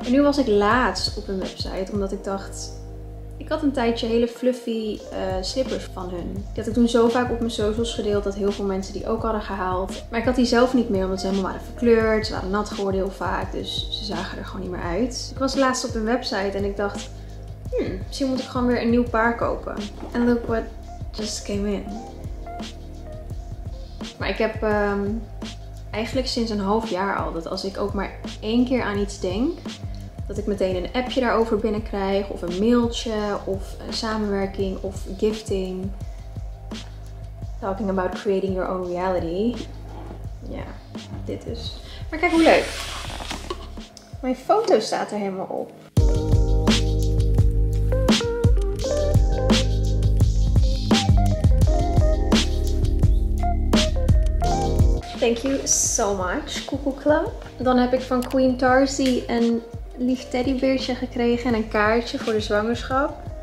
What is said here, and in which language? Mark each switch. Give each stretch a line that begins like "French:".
Dutch: En nu was ik laatst op hun website, omdat ik dacht, ik had een tijdje hele fluffy slippers van hun. Die had ik toen zo vaak op mijn socials gedeeld dat heel veel mensen die ook hadden gehaald. Maar ik had die zelf niet meer, omdat ze helemaal waren verkleurd. Ze waren nat geworden heel vaak, dus ze zagen er gewoon niet meer uit. Ik was laatst op hun website en ik dacht, misschien moet ik gewoon weer een nieuw paar kopen.
English: And look what just came in.
Dutch: Maar ik heb eigenlijk sinds een half jaar al, dat als ik ook maar één keer aan iets denk, dat ik meteen een appje daarover binnenkrijg, of een mailtje, of een samenwerking, of gifting.
English: Talking about creating your own reality.
Dutch: Ja, dit is. Maar kijk hoe leuk. Mijn foto staat er helemaal op.
English: Thank you so much,
Dutch: Cuckoo Club. Dan heb ik van Queen Tarsie een lief teddybeertje gekregen en een kaartje voor de zwangerschap.